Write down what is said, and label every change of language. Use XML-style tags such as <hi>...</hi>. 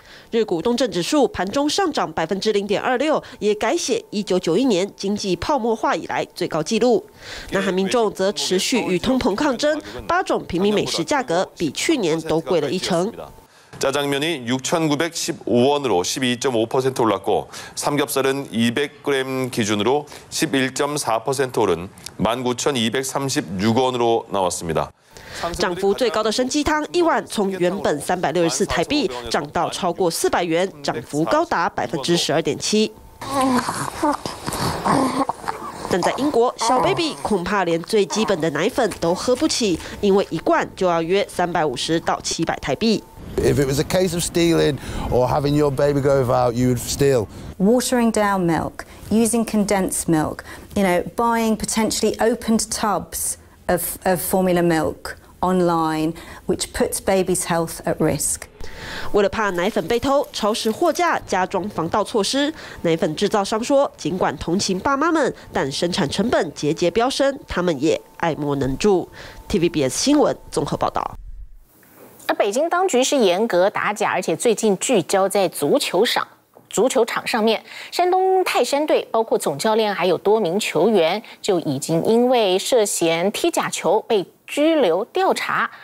<zh>日股东证指数盘中上涨0.26%，也改写1991年经济泡沫化以来最高纪录。南韩民众则持续与通膨抗争，八种平民美食价格比去年都贵了一成。</zh> <ko>짜장면이6,915원으로 12.5% 올랐고삼겹살은200g 기준으로 11.4% 오른 19,236원으로 나왔습니다</ko> <zh>涨幅最高的参鸡汤，一碗从原本364台币涨到超过400元，涨幅高达12.7%。但在英国，小 baby 恐怕连最基本的奶粉都喝不起，因为一罐就要约350到700台币。</zh> <en>If it was a case of stealing or having your baby go out, you would steal. Watering down milk, using condensed milk, you know, buying potentially opened tubs of formula milk. online, which puts babies' health at risk.</en> <zh>为了怕奶粉被偷，超市货架加装防盗措施。奶粉制造商说，尽管同情爸妈们，但生产成本节节飙升，他们也爱莫能助。 TVBS 新闻综合报道。而北京当局是严格打假，而且最近聚焦在足球场上面，山东泰山队包括总教练还有多名球员就已经因为涉嫌踢假球被拘留调查。</zh>